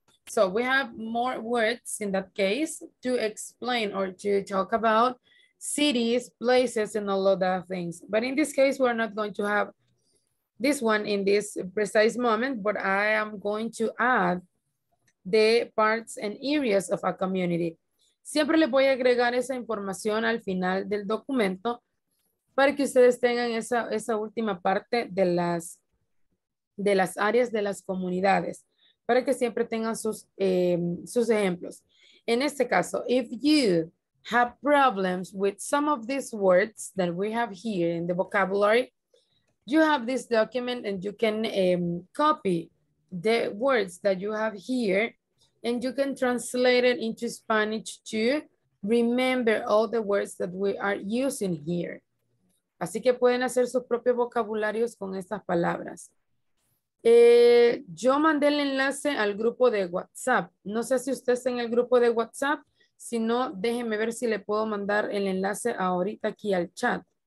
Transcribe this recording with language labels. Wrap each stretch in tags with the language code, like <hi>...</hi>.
<en>So we have more words in that case to explain or to talk about cities, places, and all of that things. But in this case, we're not going to have this one in this precise moment, but I am going to add the parts and areas of a community.</en> <es>Siempre le voy a agregar esa información al final del documento para que ustedes tengan esa última parte de las áreas de las comunidades, para que siempre tengan sus ejemplos. En este caso,</es> <en>if you have problems with some of these words that we have here in the vocabulary, you have this document and you can copy the words that you have here and you can translate it into Spanish to remember all the words that we are using here.</en> <es>Así que pueden hacer sus propios vocabularios con estas palabras. Yo mandé el enlace al grupo de WhatsApp. No sé si usted está en el grupo de WhatsApp. Si no, déjeme ver si le puedo mandar el enlace ahorita aquí al chat.</es>